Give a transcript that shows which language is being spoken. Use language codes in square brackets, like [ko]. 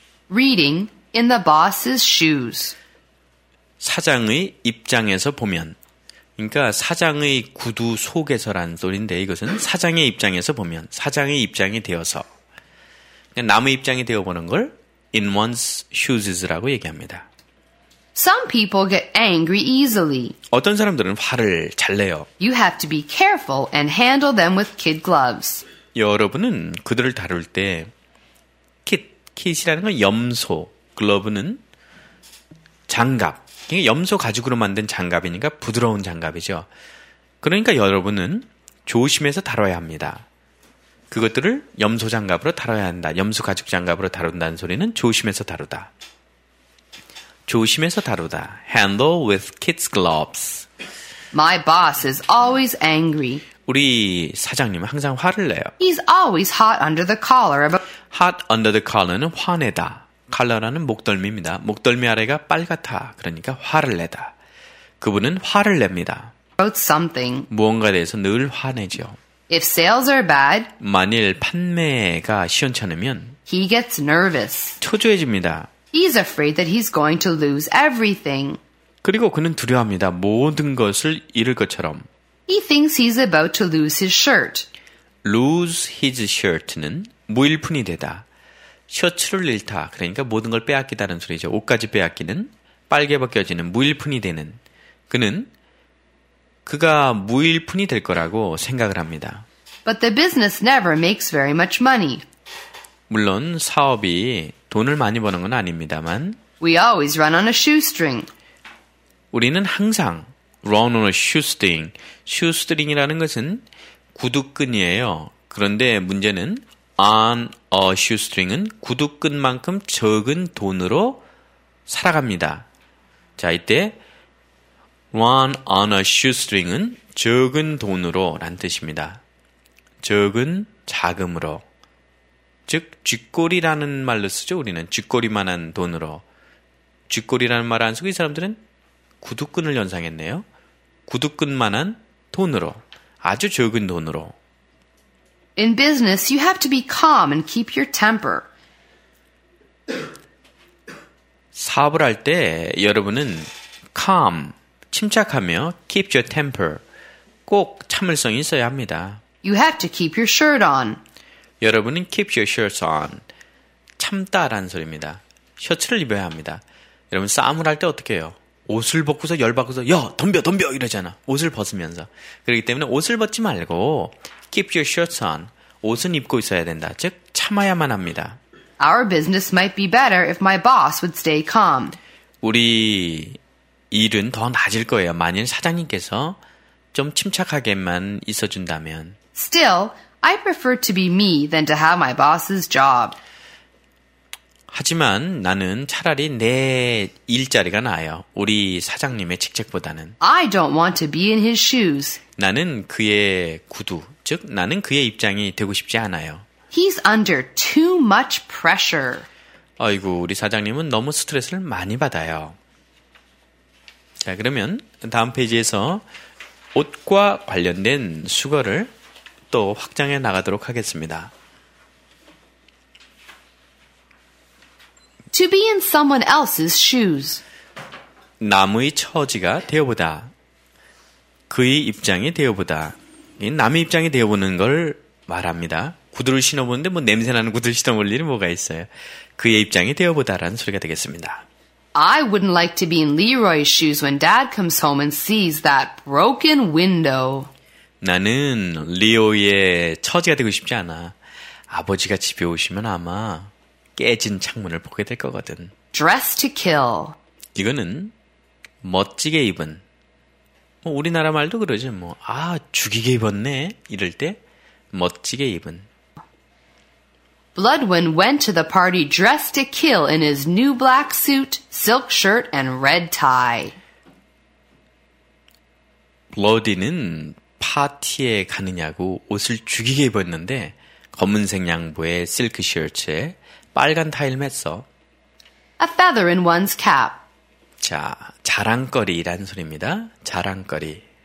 [en] Reading in the boss's shoes. [ko] 사장의 입장에서 보면. 그러니까 사장의 구두 속에서라는 소리인데 이것은 사장의 입장에서 보면. 사장의 입장이 되어서. 그러니까 남의 입장이 되어보는 걸 [en] in one's shoes [ko] 라고 얘기합니다. [en] Some people get angry easily. [ko] 어떤 사람들은 화를 잘 내요. [en] You have to be careful and handle them with kid gloves. [ko] 여러분은 그들을 다룰 때 kit이라는 건 염소, glove는 장갑. 그러니까 염소 가죽으로 만든 장갑이니까 부드러운 장갑이죠. 그러니까 여러분은 조심해서 다뤄야 합니다. 그것들을 염소 장갑으로 다뤄야 한다. 염소 가죽 장갑으로 다룬다는 소리는 조심해서 다루다. 조심해서 다루다. [en] Handle with kid's gloves. My boss is always angry. [ko] 우리 사장님은 항상 화를 내요. [en] He's always hot under the collar. Hot under the collar [ko] 는 화내다. Collar라는 목덜미입니다. 목덜미 아래가 빨갛다. 그러니까 화를 내다. 그분은 화를 냅니다. [en] About something. [ko] 무언가에 대해서 늘 화내죠. [en] If sales are bad. [ko] 만일 판매가 시원찮으면. [en] He gets nervous. [ko] 초조해집니다. [en] He's afraid that he's going to lose everything. [ko] 그리고 그는 두려워합니다. 모든 것을 잃을 것처럼. [en] He thinks he's about to lose his shirt. Lose his shirt [ko] 는 무일푼이 되다. 셔츠를 잃다. 그러니까 모든 걸 빼앗기다는 소리죠. 옷까지 빼앗기는, 빨개 벗겨지는, 무일푼이 되는. 그는 그가 무일푼이 될 거라고 생각을 합니다. [en] But the business never makes very much money. [ko] 물론 사업이 돈을 많이 버는 건 아닙니다만 [en] We always run on a shoestring. [ko] 우리는 항상 [en] run on a shoestring. [ko] shoestring이라는 것은 구두끈이에요. 그런데 문제는 [en] on a shoestring [ko] 은 구두끈만큼 적은 돈으로 살아갑니다. 자, 이때 [en] run on a shoestring [ko] 은 적은 돈으로란 뜻입니다. 적은 자금으로. 즉 쥐꼬리라는 말로 쓰죠. 우리는 쥐꼬리만한 돈으로. 쥐꼬리라는 말을 안 쓰고 이 사람들은 구두끈을 연상했네요. 구두끈만한 돈으로. 아주 적은 돈으로. [en] In business, you have to be calm and keep your temper. [ko] 사업을 할 때 여러분은 calm, 침착하며 [en] keep your temper. [ko] 꼭 참을성이 있어야 합니다. [en] You have to keep your shirt on. [ko] 여러분은 [en] keep your shirts on. [ko] 참다라는 소리입니다. 셔츠를 입어야 합니다. 여러분 싸움을 할 때 어떻게 해요? 옷을 벗고서 열받고서 야 덤벼 덤벼 이러잖아. 옷을 벗으면서. 그렇기 때문에 옷을 벗지 말고 [en] keep your shirts on. [ko] 옷은 입고 있어야 된다. 즉 참아야만 합니다. [en] Our business might be better if my boss would stay calm. [ko] 우리 일은 더 나아질 거예요. 만일 사장님께서 좀 침착하게만 있어준다면. [en] Still, I prefer to be me than to have my boss's job. [ko] 하지만 나는 차라리 내 일자리가 나아요. 우리 사장님의 직책보다는. [en] I don't want to be in his shoes. [ko] 나는 그의 구두, 즉 나는 그의 입장이 되고 싶지 않아요. He's under too much pressure. 아이고, 우리 사장님은 너무 스트레스를 많이 받아요. 자, 그러면 다음 페이지에서 옷과 관련된 수거를 또 확장해 나가도록 하겠습니다. [en] To be in someone else's shoes. [ko] 남의 처지가 되어보다. 그의 입장이 되어보다. 남의 입장이 되어보는 걸 말합니다. 구두를 신어보는데 뭐 냄새나는 구두를 신어볼 일이 뭐가 있어요. 그의 입장이 되어보다라는 소리가 되겠습니다. [en] I wouldn't like to be in Leroy's shoes when dad comes home and sees that broken window. [ko] 나는 리오의 처지가 되고 싶지 않아. 아버지가 집에 오시면 아마 깨진 창문을 보게 될 거거든. [en] Dress to kill. [ko] 이거는 멋지게 입은. 뭐 우리나라 말도 그러지. 뭐 아 죽이게 입었네. 이럴 때 멋지게 입은. [en] Bloodwin went to the party dressed to kill in his new black suit, silk shirt, and red tie. [ko] Bloodwin은 파티에 가느냐고 옷을 죽이게 입었는데 검은색 양보에 실크 셔츠에 빨간 타일 맸어. [en] A feather in one's cap. [ko] 자, 자랑거리라는 소리입니다. 자랑거리.